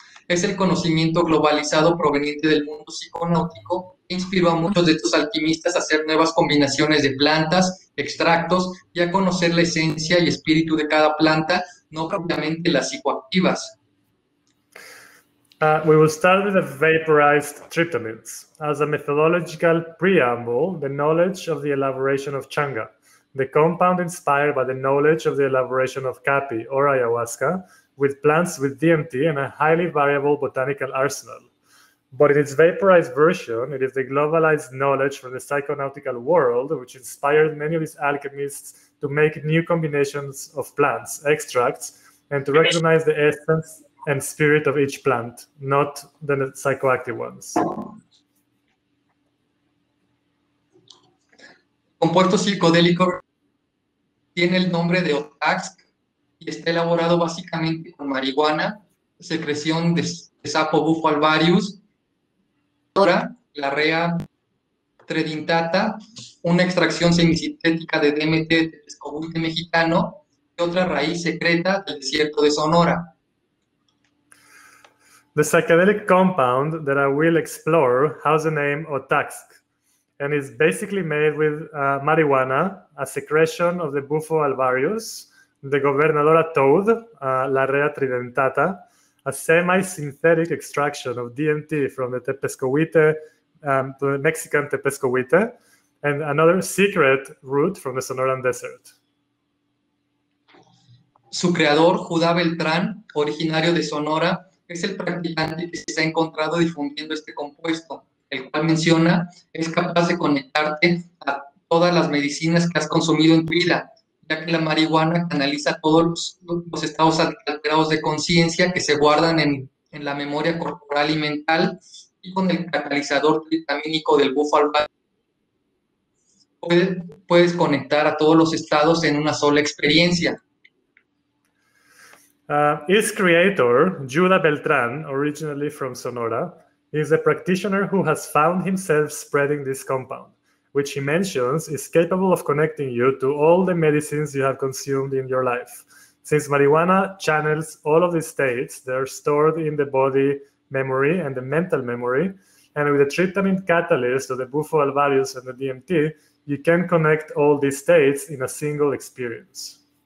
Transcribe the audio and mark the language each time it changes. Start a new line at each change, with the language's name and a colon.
Spanish: Es el conocimiento globalizado proveniente del mundo psiconáutico, que inspiró a muchos de estos alquimistas a hacer nuevas combinaciones de plantas, extractos y a conocer la esencia y espíritu de cada planta, no propiamente las psicoactivas.
English: We will start with the vaporized tryptamines. As a methodological preamble, the knowledge of the elaboration of changa, the compound inspired by the knowledge of the elaboration of capi or ayahuasca, with plants with DMT and a highly variable botanical arsenal. But in its vaporized version, it is the globalized knowledge from the psychonautical world which inspired many of these alchemists to make new combinations of plants, extracts, and to recognize the essence and spirit of each plant, not the psychoactive ones.
Spanish: Compuesto psicodélico tiene el nombre de Otaxc y está elaborado básicamente con marihuana, secreción de sapo bufo alvarius, larrea tridentata, una extracción semisintética de DMT del escogulte mexicano y otra raíz secreta del desierto de Sonora.
English: The psychedelic compound that I will explore has the name Otaxc and is basically made with marijuana, a secretion of the Bufo alvarius, the Gobernadora toad, Larrea tridentata, a semi-synthetic extraction of DMT from the Tepezcohuite, the Mexican Tepezcohuite, and another secret root from the Sonoran Desert.
Spanish: Su creador, Judá Beltrán, originario de Sonora, es el practicante que se ha encontrado difundiendo este compuesto, el cual menciona, es capaz de conectarte a todas las medicinas que has consumido en tu vida, ya que la marihuana canaliza todos los estados alterados de conciencia que se guardan en la memoria corporal y mental, y con el catalizador tritamínico del búfalo puedes conectar a todos los estados en una sola experiencia.
English: Its creator, Judah Beltran, originally from Sonora, is a practitioner who has found himself spreading this compound, which he mentions is capable of connecting you to all the medicines you have consumed in your life. Since marijuana channels all of these states, they are stored in the body memory and the mental memory, and with the tryptamine catalyst of the Bufo alvarius and the DMT, you can connect all these states in a single experience.